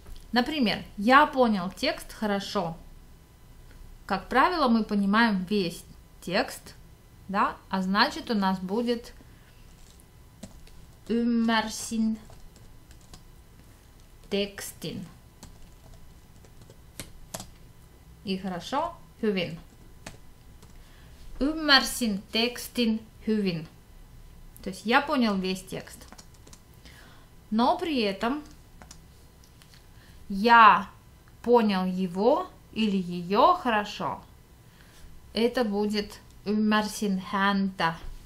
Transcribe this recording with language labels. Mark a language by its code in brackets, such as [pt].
[ru] Например, я понял текст хорошо. Как правило, мы понимаем весь текст, да? А значит, у нас будет [fi] Ümmärsin tekstin. [ru] И хорошо, hyvin. [fi] Ümmärsin tekstin hyvin. [ru] То есть я понял весь текст. Но при этом я понял его или ее хорошо. Это будет [fi] ümmärsin häntä.